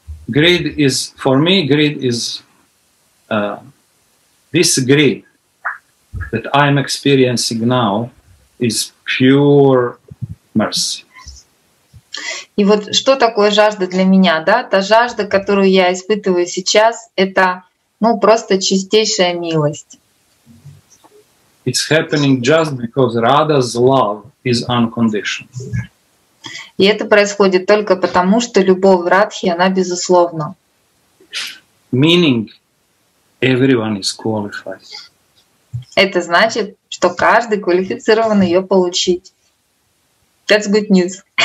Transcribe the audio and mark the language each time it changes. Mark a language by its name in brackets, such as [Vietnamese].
[English] Greed is, for me, greed is this greed that I'm experiencing now is pure mercy. [Russian] И вот что такое жажда для меня, да? Та жажда, которую я испытываю сейчас, это, ну, просто чистейшая милость. [English] It's happening just because Radha's love is unconditional. [Russian] И это происходит только потому, что любовь Радхи, она безусловна. [English] Meaning, everyone is qualified. [Russian] Это значит, что каждый квалифицирован ее получить. [English] That's good news.